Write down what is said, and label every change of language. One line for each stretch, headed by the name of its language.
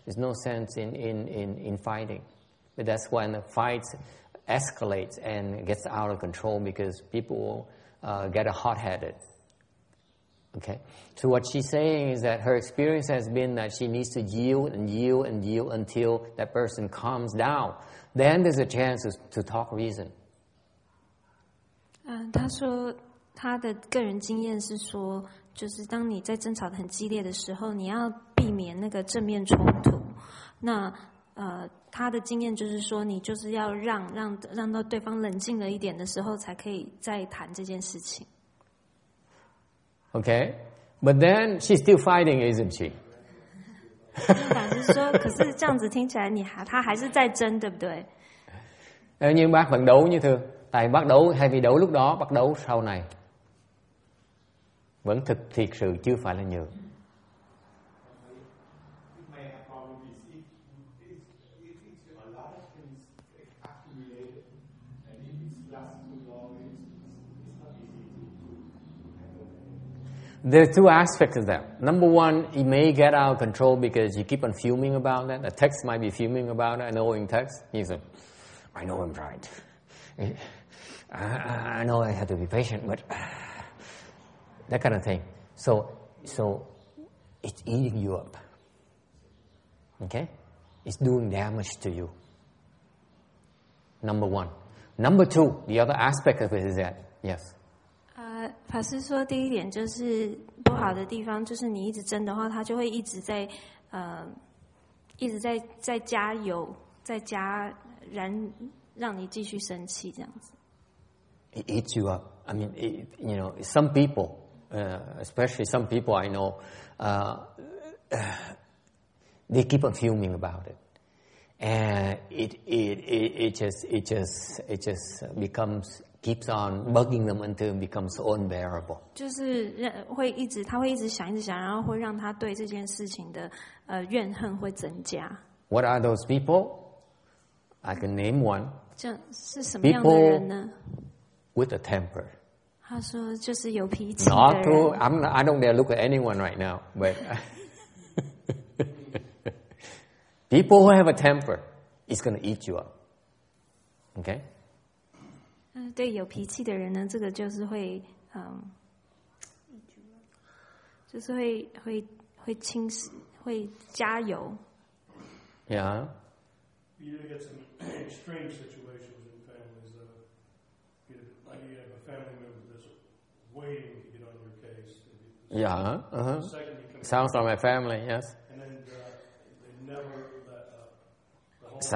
English: It's no sense in fighting. But that's when the fight escalates and gets out of control because people get hot-headed. Okay? So what she's saying is that her experience has been that she needs to yield and yield and yield until that person calms down. Then there's a chance to talk reason.
Chinese: 她说她的个人经验是说，就是当你在争吵得很激烈的时候，你要避免那个正面冲突。那她的经验就是说，你就是要让到对方冷静了一点的时候，才可以再谈这件事情。
English: Okay, but then she's still fighting, isn't she?
Chinese: 老师说，可是这样子听起来你还她还是在争，对不对？
Vietnamese: Nhưng bác vẫn đấu như thường, tại bác đấu hay vì đấu lúc đó, bác đấu sau này. Vẫn thực thiệt sự chưa phải là nhường.
English: There are two aspects of that. Number one, it may get out of control because you keep on fuming about that. A text might be fuming about it, annoying text. He's like, I know I'm right. I know I have to be patient, but that kind of thing. So it's eating you up. Okay? It's doing damage to you. Number one. Number two, the other aspect of it is that, yes.
Chinese: 法师说第一点就是不好的地方就是你一直争的话他就会一直在一直在加油在加燃让你继续生气这样子。
English: It eats you up. I mean, you know, some people, especially some people I know, they keep on fuming about it. And it just becomes... keeps on bugging them until it becomes unbearable.
Chinese: 就是会一直他会一直想一直想然后会让他对这件事情的怨恨会增加。
English: What are those people? I can name one.
Chinese: 这是什么样的人呢?
English: People with a temper.
Chinese: 他说就是有脾气的人。
English: Not too, I don't dare look at anyone right now, but people who have a temper is going to eat you up. Okay?
Chinese: 对有脾气的人呢，这个就是会，就是会侵蚀，会加油。
English: Yeah. You ever get some extreme situations in families? Like you have a family member that's waiting to get on your case. Yeah. Sounds like my family. Yes. And then they never let